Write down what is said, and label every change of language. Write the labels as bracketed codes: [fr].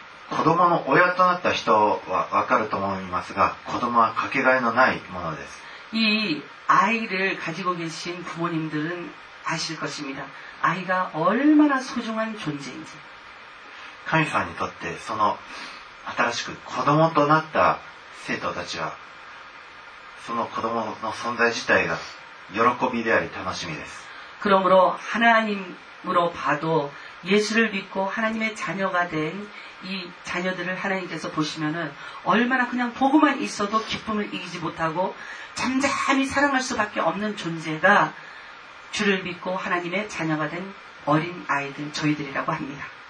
[ja] 子供の親となった人は分かると思いますが子供はかけがえのないものです。 [ko] 이아이를가지고계신부모님들은아실것입니다아이가얼마나소중한존재인지 하나님께서는그런 [ja] 新しく子供となった生徒たちはその子供の存在自体が喜びであり楽しみです。 [ko] 그러므로하나님으로봐도예수를믿고하나님의자녀가된이자녀들을하나님께서보시면은얼마나그냥보고만있어도기쁨을이기지못하고잠잠히사랑할수밖에없는존재가주를믿고하나님의자녀가된어린아이들저희들이라고합니다